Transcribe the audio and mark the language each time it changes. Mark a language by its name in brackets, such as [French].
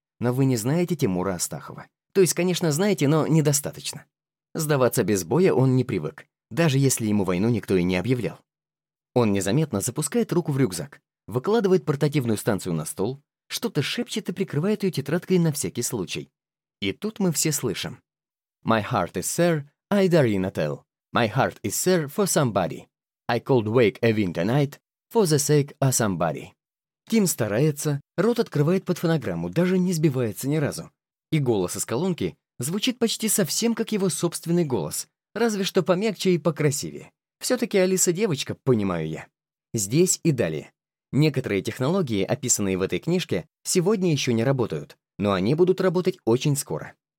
[Russian] Но вы не знаете Тимура Астахова. То есть, конечно, знаете, но недостаточно. Сдаваться без боя он не привык. Даже если ему войну никто и не объявлял. Он незаметно запускает руку в рюкзак, выкладывает портативную станцию на стол, что-то шепчет и прикрывает ее тетрадкой на всякий случай. [English] И тут мы все слышим. «My heart is sore, I dare you not tell. My heart is sore for somebody. I could wake a winter night for the sake of somebody». [Russian] Ким старается, рот открывает под фонограмму, даже не сбивается ни разу. И голос из колонки звучит почти совсем как его собственный голос, разве что помягче и покрасивее. Все-таки Алиса девочка, понимаю я. Здесь и далее. Некоторые технологии, описанные в этой книжке, сегодня еще не работают, но они будут работать очень скоро.